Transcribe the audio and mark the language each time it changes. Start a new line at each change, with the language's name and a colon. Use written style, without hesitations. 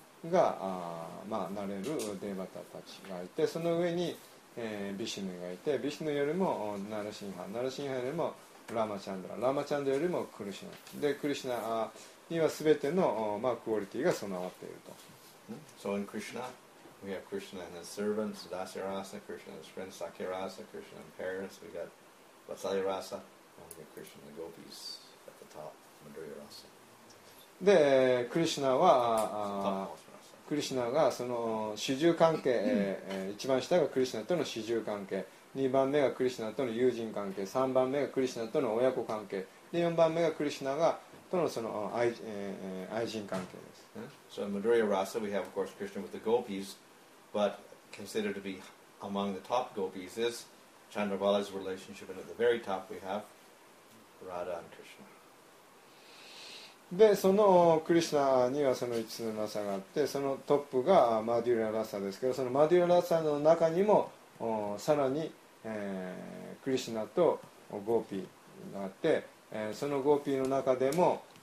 Japanese: が、まあ、なれるデーバタたちがいて、その上に、ビシヌがいて、ビシヌよりもナラシンハ、ナラシンハよりもラマチャンドラ、ラマチャンドラよりもクリシナで、クリシナには全ての、まあ、クオリティが備わっていると。
English: So in Krishna we have Krishna and his servants Dasya Rasa, Krishna and his friends Sakya Rasa, Krishna and parents, we got Vatsalya Rasa, and we got Krishna and the gopis at the top, Madhurya Rasa。
Japanese: でクリシナはクリシナがその主従関係、一番下がクリシナとの主従関係、二番目がクリシナとの友人関係、三番目がクリシナとの親子関係、で四番目がクリシナがとのその愛人関係です。
English: So in Madhurya Rasa we have of course Krishna with the gopis, but considered to be among the top gopis is Chandrabala's relationship, and at the very top we have Radha and Krishna。
Japanese: でそのクリシナにはその5つのラサがあって、そのトップがマデュララサですけど、そのマデュララサの中にもさらに、クリシナとゴーピーがあって、そのゴーピーの中でも